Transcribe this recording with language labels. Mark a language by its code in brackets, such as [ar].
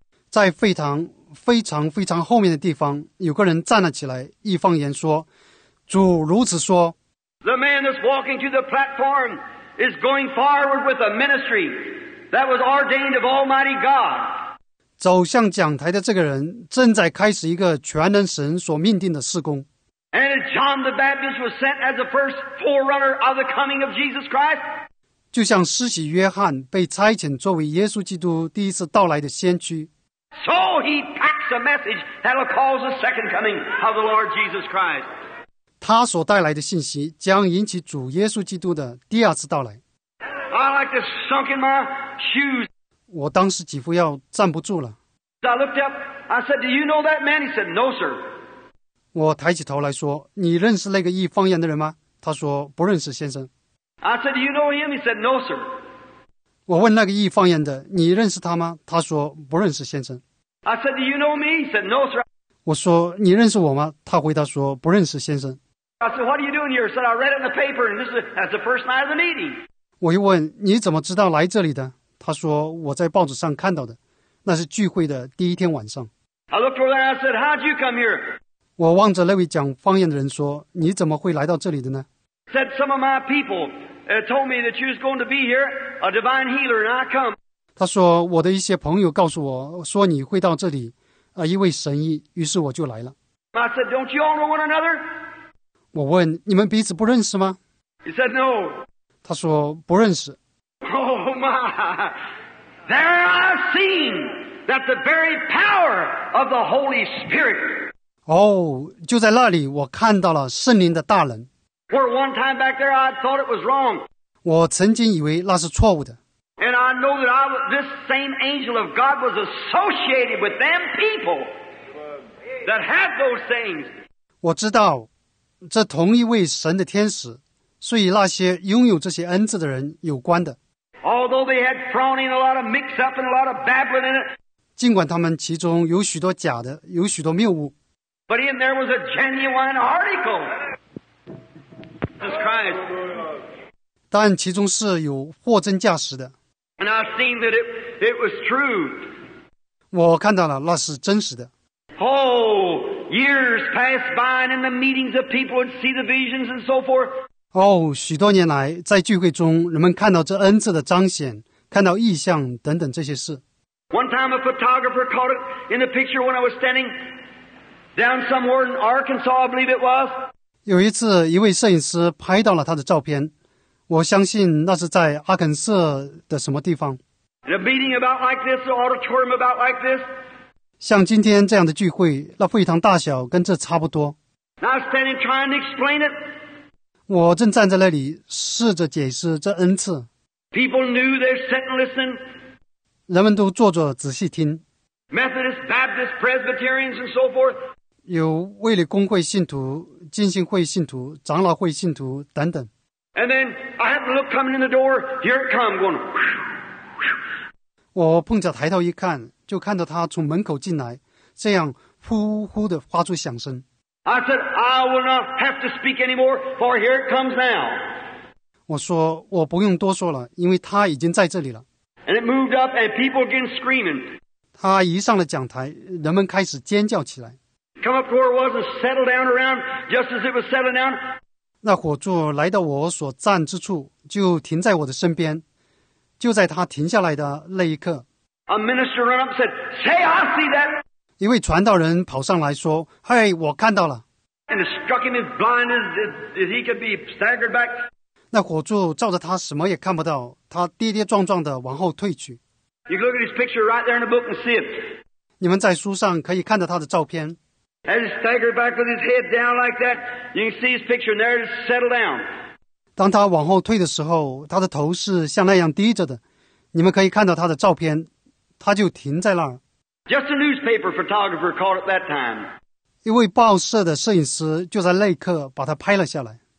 [zh] 在会堂非常非常后面的地方，有个人站了起来，一方言说，主如此说。 [en] The man that's walking to the platform is going forward with a ministry that was ordained of Almighty God. [zh] 走向讲台的这个人正在开始一个全能神所命定的事工。 [en] And John the Baptist was sent as the first forerunner of the coming of Jesus Christ. [zh] 就像施洗约翰被差遣作为耶稣基督第一次到来的先驱。 [en] So he packs a message that'll cause the second coming of the Lord Jesus Christ. [zh] 他所带来的信息将引起主耶稣基督的第二次到来。 [en] I like to sunk in my shoes. [zh] 我当时几乎要站不住了。 [en] I looked up. I said, "Do you know that man?" He said, "No, sir." [zh] 我抬起头来说，你认识那个异方言的人吗？他说，不认识，先生。 [en] I said, "Do you know him?" He said, "No, sir." [zh] 我问那个异方言的，你认识他吗？他说，不认识，先生。 [en] I said, "Do you know me?" He said, "No, sir." [zh] 我说，你认识我吗？他回答说，不认识，先生。 [en] I said, "What are you doing here?" He said, "I read it in the paper, and this is the first night of the meeting." [zh] 我又问，你怎么知道来这里的？他说，我在报纸上看到的，那是聚会的第一天晚上。 [en] I looked over there, I said, "How'd you come here?" [zh] 我望着那位讲方言的人说，你怎么会来到这里的呢？ [en] He said, "Some of my people told me that you was going to be here, a divine healer, and I come." [zh] 他说，我的一些朋友告诉我说你会到这里，一位神医，于是我就来了。 [en] I said, "Don't you all know one another?" [zh] 我问，你们彼此不认识吗？ [en] He said, "No." [zh] 他说，不认识。 [en] Oh my! There I've seen that the very power of the Holy Spirit. [zh] Oh, 就在那里我看到了圣灵的大能。 [en] For one time back there, I thought it was wrong. [zh] 我曾经以为那是错误的。 [en] And I know that I, this same angel of God was associated with them people that had those things. [zh] 我知道这同一位神的天使是与那些拥有这些恩赐的人有关的。 [en] Although they had thrown in a lot of mix up and a lot of babbling in it. [zh] 尽管他们其中有许多假的，有许多谬误。 [en] But in there was a genuine article. Jesus Christ. [zh] 但其中是有货真价实的。 [en] And I've seen that it was true. [zh] 我看到了那是真实的。 [en] Oh, years passed by and in the meetings of people would see the visions and so forth. [zh] 哦，许多年来在聚会中人们看到这恩赐的彰显，看到异象等等这些事。 [en] One time a photographer caught it in the picture when I was standing down somewhere in Arkansas, I believe it was. [zh] 有一次一位摄影师拍到了他的照片，我相信那是在阿肯色的什么地方。 [en] In a meeting about like this, an auditorium about like this. [zh] 像今天这样的聚会，那会堂大小跟这差不多。 [en] Now I'm standing trying to explain it. [zh] 我正站在那里试着解释这恩赐。 [en] People knew they're sitting listening. [zh] 人们都坐着仔细听。 [en] Methodist, Baptist, Presbyterians and so forth. [zh] 有卫理公会信徒、浸信会信徒、长老会信徒等等。 [en] And then I had to look coming in the door. Here it come, going. [zh] 我碰着抬头一看，就看到他从门口进来，这样呼呼的发出响声。 [en] I said I will not have to speak anymore, for here it comes now. [zh] 我说我不用多说了，因为他已经在这里了。 [en] And it moved up, and people began screaming. [zh] 他一上了讲台，人们开始尖叫起来。 [en] Come up to where it was and settle down around, just as it was settling down. [zh] 那火柱来到我所站之处，就停在我的身边。就在他停下来的那一刻， [en] A minister ran up and said, "Hey, I see that." [zh] 一位传道人跑上来说：“嘿，我看到了。 [en] ”And it struck him as blind as he could be, staggered back. [zh] 那火柱照着他什么也看不到，他跌跌撞撞的往后退去。 [en] You can look at his picture right there in the book and see it. [zh] 你们在书上可以看到他的照片。 [en] As he staggered back with his head down like that, you can see his picture, and there it is, settled down. [zh] 当他往后退的时候，他的头是像那样低着的，你们可以看到他的照片，他就停在那儿。 [en] Just a newspaper photographer caught it that time. [zh] 一位报社的摄影师就在那一刻把他拍了下来。